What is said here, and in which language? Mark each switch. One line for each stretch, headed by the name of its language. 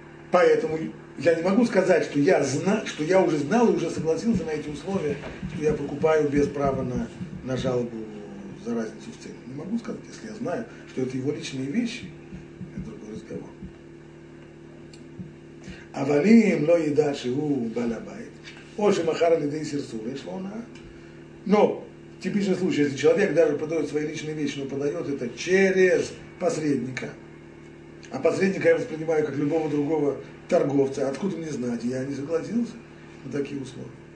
Russian: Поэтому я не могу сказать, что я уже знал и уже согласился на эти условия, что я покупаю без права на жалобу за разницу в цене. Не могу сказать, если я знаю, что это его личные вещи, это другой разговор.
Hebrew: כמו. אבל אם לא ידע שהוא בא לבית, או שמחר על ידי סרסור, יש לו הונאה.
Russian: Но, типичный случай, если человек даже продает свои личные вещи, но продает это через посредника. А посредника я воспринимаю как любого другого торговца. Откуда мне знать? Я не согласился на такие условия.